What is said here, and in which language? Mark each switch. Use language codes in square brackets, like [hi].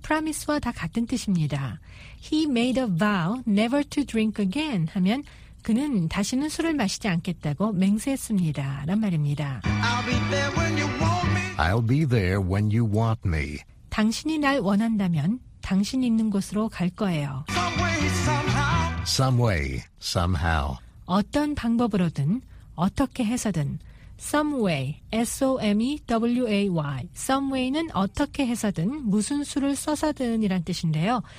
[ko] Promise와 다 같은 뜻입니다. [en] He made a vow never to drink again [ko] 하면 그는 다시는 술을 마시지 않겠다고 맹세했습니다. 라는 말입니다. [en] I'll be there when you want me. I'll be there when you want me. [ko] 당신이 날 원한다면 당신 있는 곳으로 갈 거예요. [en] Some way, somehow. Some way, somehow. [ko] 어떤 방법으로든 어떻게 해서든 [en] Some way, S-O-M-E-W-A-Y. [ko] Some way는 어떻게 해서든 무슨 수를 써서든 이란 뜻인데요.